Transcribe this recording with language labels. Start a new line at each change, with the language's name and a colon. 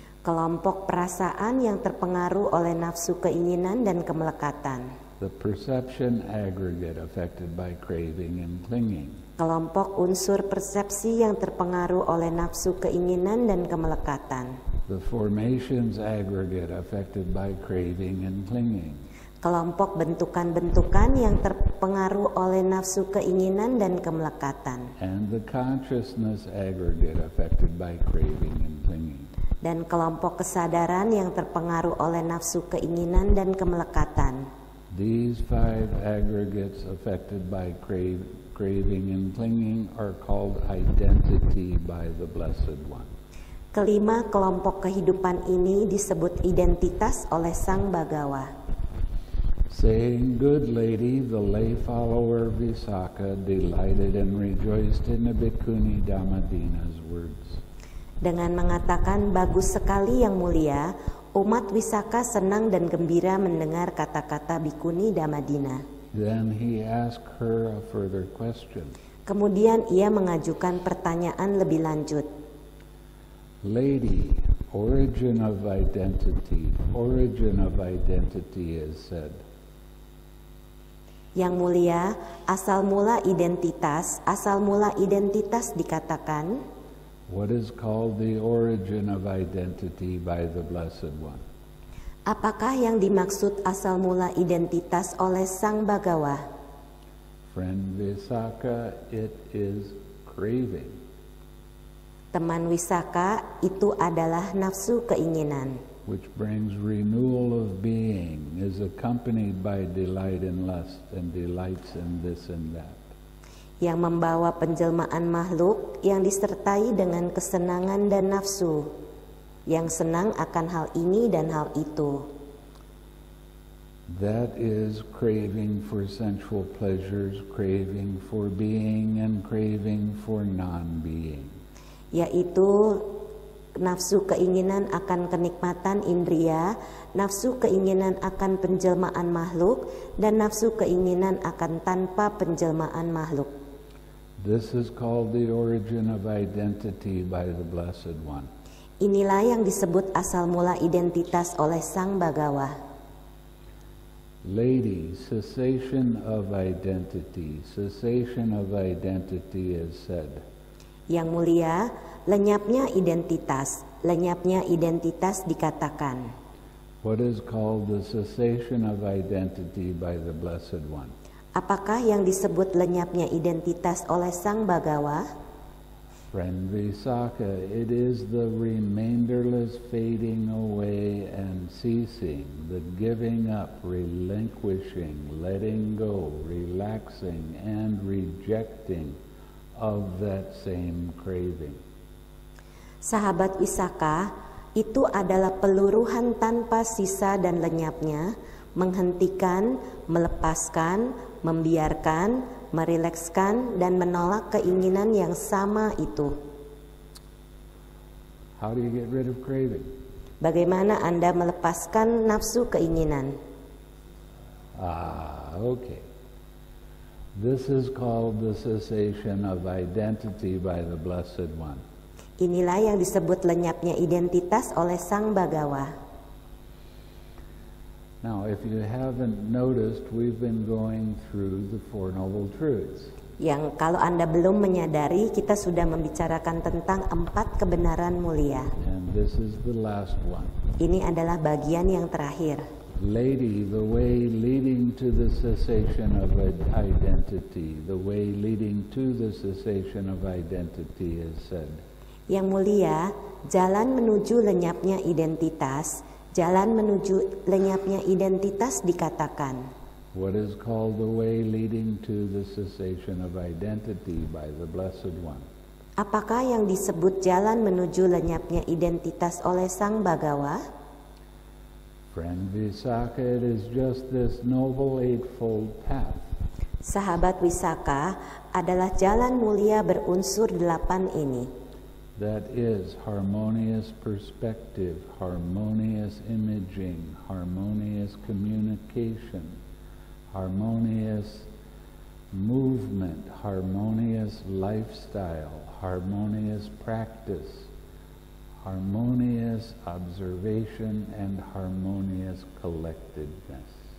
Indonesian: Kelompok perasaan yang terpengaruh oleh nafsu, keinginan, dan kemelekatan.
English: The perception aggregate affected by craving and clinging.
Indonesian: Kelompok unsur persepsi yang terpengaruh oleh nafsu, keinginan, dan kemelekatan.
English: The formations aggregate affected by craving and clinging.
Indonesian: Kelompok bentukan-bentukan yang terpengaruh oleh nafsu, keinginan, dan kemelekatan.
English: And the consciousness aggregate affected by craving and clinging.
Indonesian: Dan kelompok kesadaran yang terpengaruh oleh nafsu, keinginan, dan kemelekatan.
English: These five aggregates affected by craving and clinging are called identity by the Blessed One.
Indonesian: Kelima kelompok kehidupan ini disebut identitas oleh Sang Bhagawa.
English: Saying, "Good lady, the lay follower Visakha delighted and rejoiced in the bhikkhuni Damadina's words."
Indonesian: Dengan mengatakan, "Bagus sekali yang mulia," umat Visakha senang dan gembira mendengar kata-kata bhikkhuni Damadina.
English: Then he asked her a further question.
Indonesian: Kemudian ia mengajukan pertanyaan lebih lanjut.
English: "Lady, origin of identity is said."
Indonesian: Yang mulia, asal mula identitas dikatakan.
English: What is called the origin of identity by the Blessed One?
Indonesian: Apakah yang dimaksud asal mula identitas oleh Sang Bhagawa?
English: Friend Visakha, it is craving.
Indonesian: Teman Visakha, itu adalah nafsu keinginan.
English: Which brings renewal of being is accompanied by delight in lust and delights in this and that.
Indonesian: Yang membawa penjelmaan makhluk yang disertai dengan kesenangan dan nafsu yang senang akan hal ini dan hal itu.
English: That is craving for sensual pleasures, craving for being and craving for non-being.
Indonesian: Yaitu nafsu keinginan akan kenikmatan indria, nafsu keinginan akan penjelmaan makhluk, dan nafsu keinginan akan tanpa penjelmaan makhluk.
English: This is called the origin of identity by the Blessed One.
Indonesian: Inilah yang disebut asal mula identitas oleh Sang Bhagava.
English: Lady, cessation of identity. Cessation of identity is said.
Indonesian: Yang mulia, lenyapnya identitas dikatakan.
English: What is called the cessation of identity by the Blessed One?
Indonesian: Apakah yang disebut lenyapnya identitas oleh Sang Bhagava?
English: Friend Visakha, it is the remainderless fading away and ceasing, the giving up, relinquishing, letting go, relaxing, and rejecting of that same craving.
Indonesian: Sahabat Visakha, itu adalah peluruhan tanpa sisa dan lenyapnya, menghentikan, melepaskan, membiarkan, merilekskan, dan menolak keinginan yang sama itu.
English: How do you get rid of craving?
Indonesian: Bagaimana Anda melepaskan nafsu keinginan?
English: Okay. This is called the cessation of identity by the Blessed One.
Indonesian: Inilah yang disebut lenyapnya identitas oleh Sang Bhagava.
English: Now, if you haven't noticed, we've been going through the Four Noble Truths.
Indonesian: Yang kalau Anda belum menyadari, kita sudah membicarakan tentang empat kebenaran mulia.
English: And this is the last one.
Indonesian: Ini adalah bagian yang terakhir.
English: Lady, the way leading to the cessation of identity, the way leading to the cessation of identity is said.
Indonesian: Yang mulia, jalan menuju lenyapnya identitas. Jalan menuju lenyapnya identitas dikatakan.
English: What is called the way leading to the cessation of identity by the Blessed One?
Indonesian: Apakah yang disebut jalan menuju lenyapnya identitas oleh Sang Bhagava?
English: Friend Visakha, it is just this noble eightfold path.
Indonesian: Sahabat Visakha adalah jalan mulia berunsur delapan ini.
English: That is harmonious perspective, harmonious imaging, harmonious communication, harmonious movement, harmonious lifestyle, harmonious practice, harmonious observation, and harmonious collectedness.